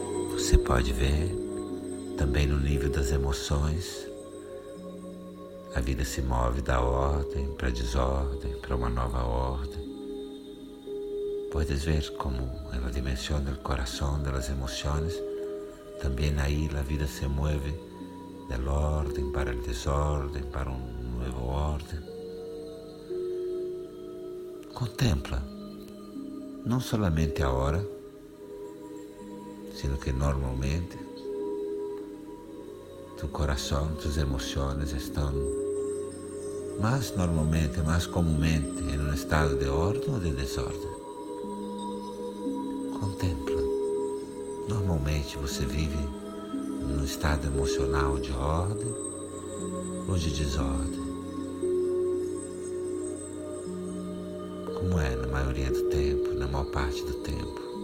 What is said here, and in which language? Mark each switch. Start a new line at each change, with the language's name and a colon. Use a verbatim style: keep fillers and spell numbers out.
Portuguese: Você pode ver também no nível das emoções. A vida se move da ordem para a desordem, para uma nova ordem.
Spanish: Puedes ver como en la dimensión del corazón, de las emociones, también ahí la vida se mueve del orden para el desorden, para un nuevo orden. Contempla, no solamente ahora, sino que normalmente tu corazón, tus emociones están más normalmente, más comúnmente en un estado de orden o de desorden. Contempla.
Portuguese: Normalmente você vive num estado emocional de ordem ou de desordem? Como é na maioria do tempo, na maior parte do tempo?